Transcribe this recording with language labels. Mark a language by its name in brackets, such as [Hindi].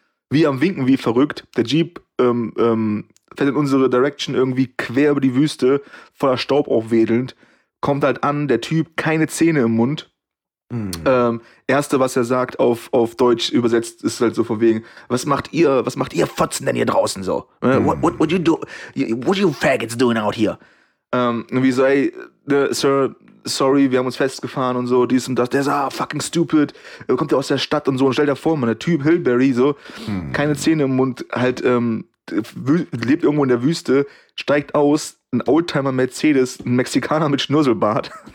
[German] Wie am Winken, wie verrückt. Der Jeep fährt in unsere Direction irgendwie quer über die Wüste, voller Staub aufwedelnd. Kommt halt an, der Typ, keine Zähne im Mund. Erste, was er sagt, auf Deutsch übersetzt, ist halt so von wegen, was macht ihr Fotzen denn hier draußen so? [English] What you faggots doing out here? [German] Wie so, ey, Sir, sorry, wir haben uns festgefahren und so, dies und das. Der sagt, [English] fucking stupid, [German] kommt ja aus der Stadt und so. Und stell dir vor, man, der Typ Hillberry, so, keine Zähne im Mund, halt lebt irgendwo in der Wüste, steigt aus, ein Oldtimer Mercedes, ein Mexikaner mit Schnurzelbart.